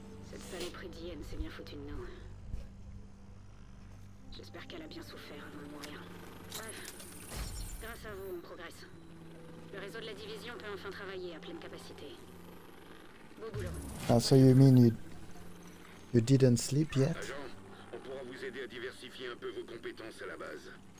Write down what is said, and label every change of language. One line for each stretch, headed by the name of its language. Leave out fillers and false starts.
French: Cette saloperie d'Yenne s'est bien foutue de nous. J'espère qu'elle a bien souffert avant de mourir. Bref. Grâce à vous, on progresse. Le réseau de la division peut enfin travailler à pleine capacité. Beau boulot.
English: Ah, so you mean you didn't sleep yet?
French: Agent, on pourra vous aider à diversifier un peu vos compétences à la base.